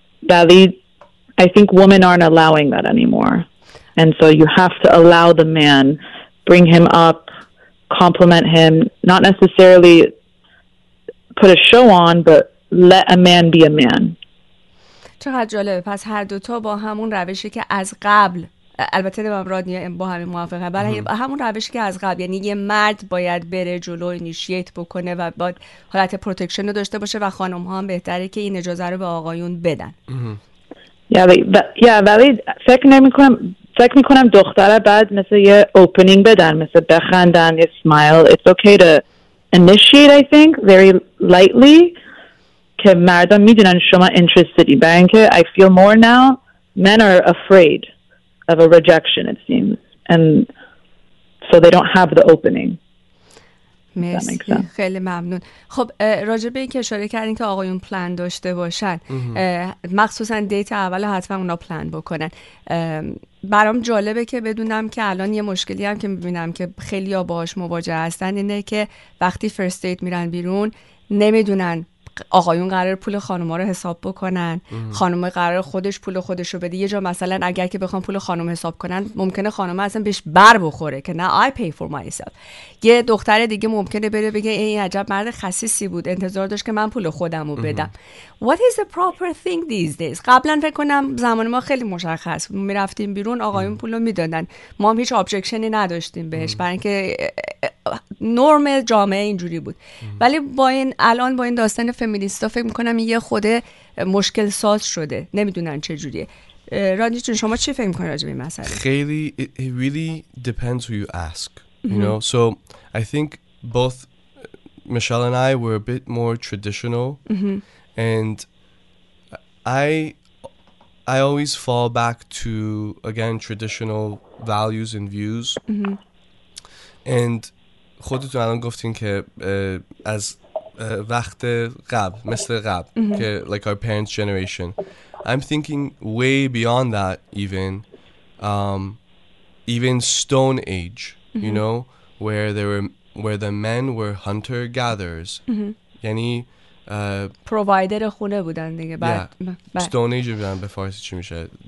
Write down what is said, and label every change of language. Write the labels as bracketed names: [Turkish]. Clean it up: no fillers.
[Persian] ولی [English] I think women aren't allowing that anymore, and so you have to allow the man, bring him up, compliment him, not necessarily put a show on, but let a man be a man. [Persian] چقدر جالبه. پس هر دوتا با همون روشی که از قبل, البته من رادنی با همین موافقه, برای همون روشی که از قبل, یعنی یه مرد باید بره جلو, اینیشیت بکنه و باید حالت پروتکشن رو داشته باشه و خانم ها هم بهتره که این اجازه رو به آقایون بدن. ولی فکر می کنم دختره بعد مثل یه اوپنینگ بدن, مثل بخندن, یه سمایل. [English] It's okay to initiate, I think, very lightly, [Persian] که مردم میدونن شما [English] interestedی. [Persian] برای اینکه [English] I feel more now, men are afraid of a rejection, it seems, and so they don't have the opening. [Persian] مرسی, خیلی ممنون. خب راجع به این که اشاره کردین که آقایون پلان داشته باشن, مخصوصا دیت اول حتما اونا پلان بکنن, برام جالبه که بدونم که الان یه مشکلی هم که میبینم که خیلی ها باهاش مواجه هستن اینه که وقتی فرست دیت میرن بیرون نمیدونن آقایون قرار پول خانوما رو حساب بکنن, خانوما قرار خودش پول خودش رو بده. یه جا مثلا اگر که بخوام پول خانوم حساب کنن, ممکنه خانوما اصلا بهش بر بخوره که نه, [English] I pay for myself. [Persian] یه دختر دیگه ممکنه بره بگه این عجب مرد خسیسی بود, انتظار داشت که من پول خودم رو بدم. [English] What is the proper thing these days? [Persian] قبلا فکر کنم زمان ما خیلی مشخص بود, میرفتیم بیرون آقایون پول رو میدادن, ما هم هیچ ابجکشنی نداشتیم بهش, برای اینکه نرم جامعه اینجوری بود. ولی با این الان با این داستان فمینیستا فکر میکنم یه خود مشکل ساز شده, نمیدونن چه جوریه. رادنی جون شما چی فکر میکنی راجع به این مسئله؟ خیلی [English] it really depends who you ask, you know. So I think both Michelle and I were a bit more traditional, and I always fall back to again traditional values and views. And [Persian] خودتون الان گفتین که از وقت قبل, مثل قبل, که [English] like our parents' generation. I'm thinking way beyond that, even Stone Age, you know, where the men were hunter gatherers. [Persian] یعنی پرووایدر خونه بودن دیگه بعد بعد استونیج بودن به فارسی چی میشه